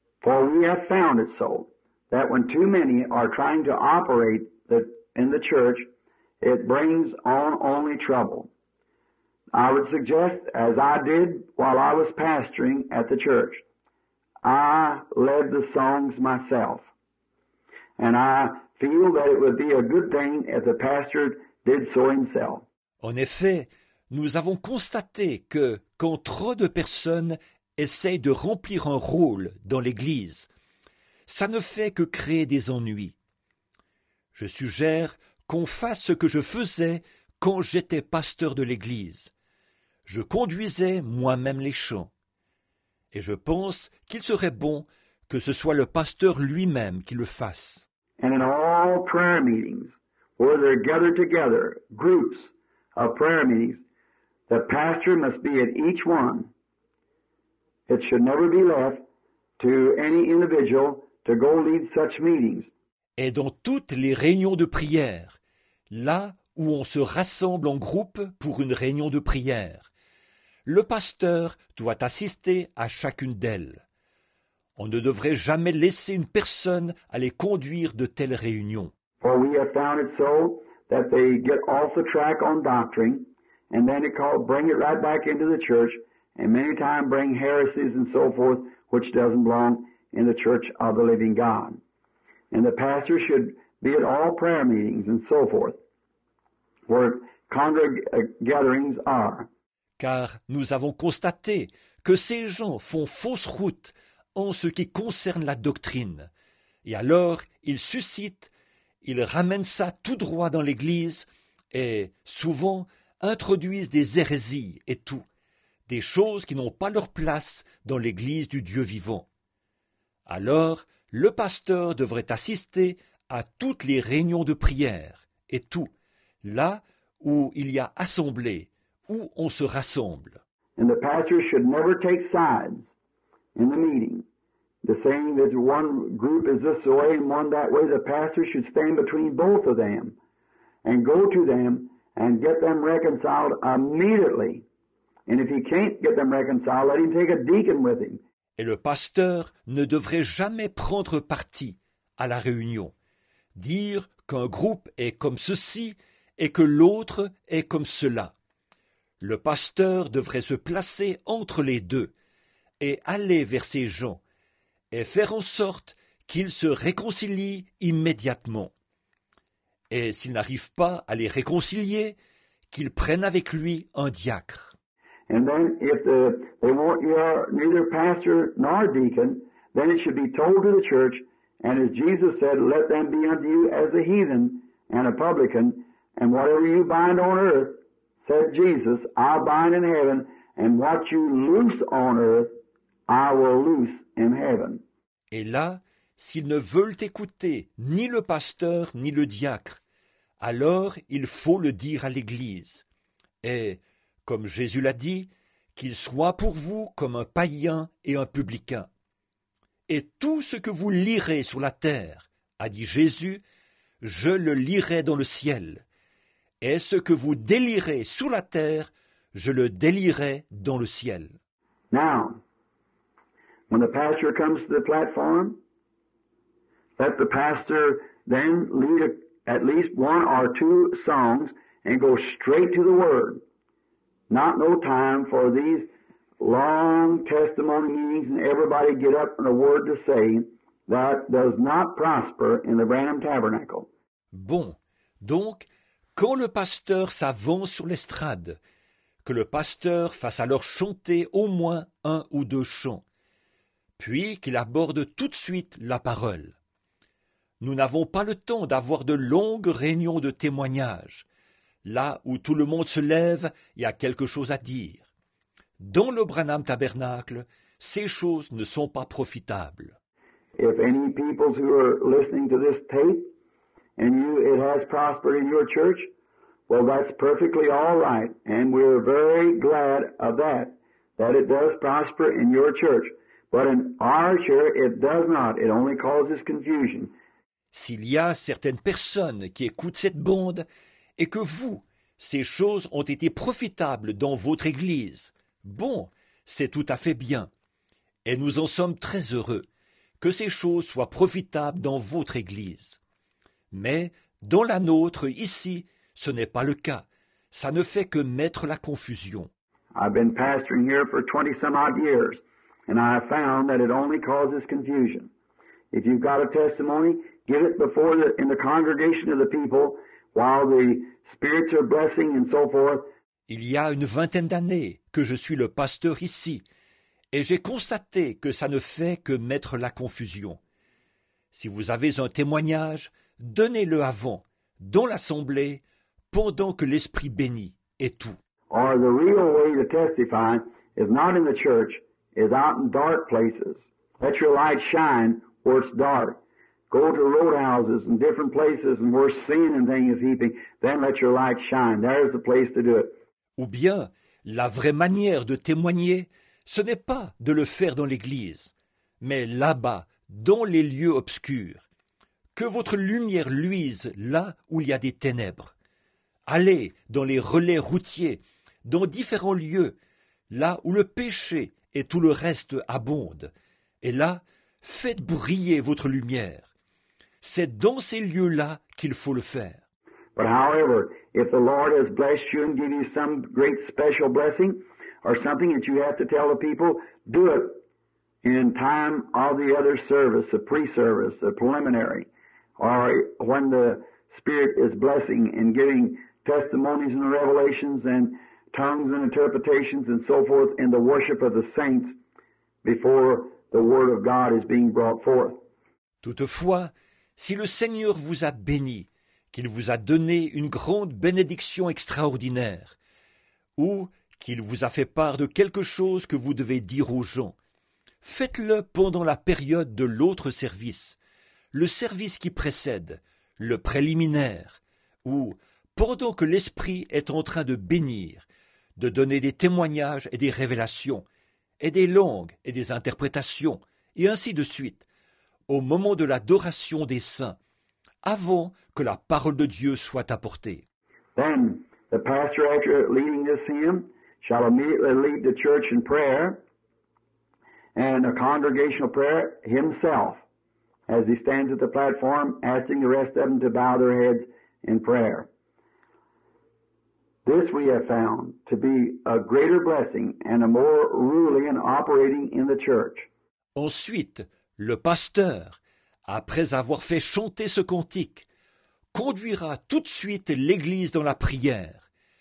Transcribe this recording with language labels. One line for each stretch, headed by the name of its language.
English: For we have found it so, that when too many are trying to operate in the church, it brings on only trouble. I would suggest, as I did while I was pastoring at the church, I led the songs myself. And I feel that it would be a good thing if the pastor did so himself.
French: En effet, nous avons constaté que quand trop de personnes essayent de remplir un rôle dans l'Église, ça ne fait que créer des ennuis. Je suggère qu'on fasse ce que je faisais quand j'étais pasteur de l'Église. Je conduisais moi-même les chants. Et je pense qu'il serait bon que ce soit le pasteur lui-même qui le fasse.
English: And in all prayer meetings, where they're gathered together, groups of prayer meetings, the pastor must be at each one. It should never be left to any individual to go lead such meetings.
French: Et dans toutes les réunions de prière, là où on se rassemble en groupe pour une réunion de prière, le pasteur doit assister à chacune d'elles. On ne devrait jamais laisser une personne aller conduire de telles réunions.
English: For we have found it so that they get off the track on doctrine, and then it called bring it right back into the church, and many times bring heresies and so forth, which doesn't belong in the church of the living God. And the pastor should be at all prayer meetings and so forth, where gatherings are.
French: Car nous avons constaté que ces gens font fausse route en ce qui concerne la doctrine. Et alors, ils suscitent, ils ramènent ça tout droit dans l'Église et souvent introduisent des hérésies et tout, des choses qui n'ont pas leur place dans l'Église du Dieu vivant. Alors, le pasteur devrait assister à toutes les réunions de prière et tout, là où il y a assemblée, où on se rassemble.
English: And the pastor should never take sides in the meeting. The saying that one group is this way and one that way, the pastor should stand between both of them and go to them and get them reconciled immediately. And if he can't get them reconciled, let him take a deacon with him.
French: Et le pasteur ne devrait jamais prendre parti à la réunion, dire qu'un groupe est comme ceci et que l'autre est comme cela. Le pasteur devrait se placer entre les deux et aller vers ces gens et faire en sorte qu'ils se réconcilient immédiatement. Et s'il n'arrive pas à les réconcilier, qu'il prenne avec lui un diacre.
English: And then if they want neither pastor nor deacon, then it should be told to the church, and as Jesus said, let them be unto you as a heathen and a publican, and whatever you bind on earth, said Jesus, I bind in heaven, and what you loose on earth, I will loose in heaven.
French: Et là, s'ils ne veulent écouter ni le pasteur ni le diacre, alors il faut le dire à l'Église. Et, comme Jésus l'a dit, qu'il soit pour vous comme un païen et un publicain. Et tout ce que vous lirez sur la terre, a dit Jésus, je le lirai dans le ciel. Et ce que vous délirez sur la terre, je le délirai dans le ciel.
English: Now, when the pastor comes to the platform, Let the pastor then lead at least one or two songs and go straight to the Word. Not no time for these long testimony meetings and everybody get up and a word to say. That does not prosper in the Branham Tabernacle.
French: Bon, donc, quand le pasteur s'avance sur l'estrade, que le pasteur fasse alors chanter au moins un ou deux chants, puis qu'il aborde tout de suite la parole. Nous n'avons pas le temps d'avoir de longues réunions de témoignages, là où tout le monde se lève et a quelque chose à dire. Dans le Branham Tabernacle, ces choses ne sont pas profitables.
English: If any people who are listening to this tape and you, it has prospered in your church, well, that's perfectly all right, and we're very glad of that, that it does prosper in your church. But in our church, it does not. It only causes confusion.
French: S'il y a certaines personnes qui écoutent cette bande et que vous, ces choses ont été profitables dans votre église, bon, c'est tout à fait bien. Et nous en sommes très heureux que ces choses soient profitables dans votre église. Mais dans la nôtre, ici, ce n'est pas le cas. Ça ne fait que mettre la confusion.
English: I've been pastoring here for 20-some-odd years, and I found that it only causes confusion. If you've got a testimony, give it before in the congregation of the people, while the spirits are blessing and so forth.
French: Il y a une vingtaine d'années que je suis le pasteur ici, et j'ai constaté que ça ne fait que mettre la confusion. Si vous avez un témoignage, donnez-le avant, dans l'assemblée, pendant que l'Esprit bénit, et tout.
English: Or the real way to testify is not in the church, is out in dark places. Let your light shine where it's dark. Go to roadhouses and different places and where sin and things is heaping, then let your light shine. There is the place to do it.
French: Ou bien, la vraie manière de témoigner, ce n'est pas de le faire dans l'église, mais là-bas, dans les lieux obscurs. Que votre lumière luise là où il y a des ténèbres. Allez dans les relais routiers, dans différents lieux, là où le péché et tout le reste abondent. Et là, faites briller votre lumière. C'est dans ces lieux-là qu'il faut le faire.
English: But however, if the Lord has blessed you and given you some great special blessing, or something that you have to tell the people, do it in time of the other service, the pre-service, the preliminary, or when the Spirit is blessing and giving testimonies and revelations and tongues and interpretations and so forth in the worship of the saints before the Word of God is being brought forth.
French: Toutefois, si le Seigneur vous a béni, qu'il vous a donné une grande bénédiction extraordinaire, ou qu'il vous a fait part de quelque chose que vous devez dire aux gens. Faites-le pendant la période de l'autre service, le service qui précède, le préliminaire, ou pendant que l'Esprit est en train de bénir, de donner des témoignages et des révélations, et des langues et des interprétations, et ainsi de suite, au moment de l'adoration des saints, avant que la parole de Dieu soit apportée.
English: Then, the pastor after leading this hymn shall immediately lead the church in prayer and a congregational prayer himself as he stands at the platform asking the rest of them to bow their heads in prayer. This we have found to be a greater blessing and a more ruling and operating in the church.
French: Ensuite, le pasteur, après avoir fait chanter ce cantique, conduira tout de suite l'église dans la prière.